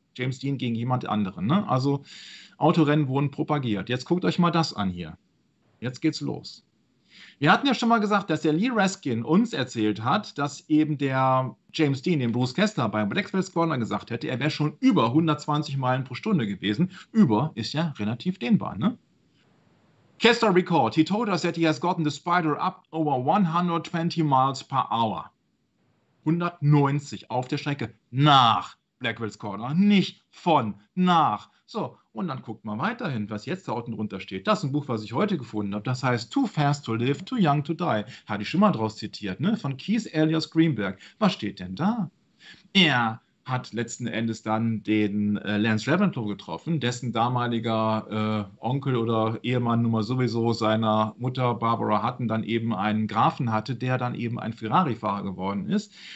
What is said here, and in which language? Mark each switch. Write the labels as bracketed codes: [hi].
[de] James Dean gegen jemand anderen. Ne? Also Autorennen wurden propagiert. Jetzt guckt euch mal das an hier. Jetzt geht's los. Wir hatten ja schon mal gesagt, dass der Lee Reskin uns erzählt hat, dass eben der James Dean, den Bruce Kester beim Black Belt Squadron gesagt hätte, er wäre schon über 120 Meilen pro Stunde gewesen. Über ist ja relativ dehnbar, ne? [en] Kester recalled, he told us that he has gotten the spider up over 120 miles per hour. [de] 190 auf der Strecke nach Black Belt Squadron, nicht von, nach. So, und dann guckt man weiterhin, was jetzt da unten drunter steht. Das ist ein Buch, was ich heute gefunden habe. Das heißt Too Fast to Live, Too Young to Die. Hatte ich schon mal draus zitiert, ne? Von Keith Elias Greenberg. Was steht denn da? Er hat letzten Endes dann den Lance Reventlow getroffen, dessen damaliger Onkel oder Ehemann nun mal sowieso seiner Mutter Barbara Hutton dann eben einen Grafen hatte, der dann eben ein Ferrari-Fahrer geworden ist.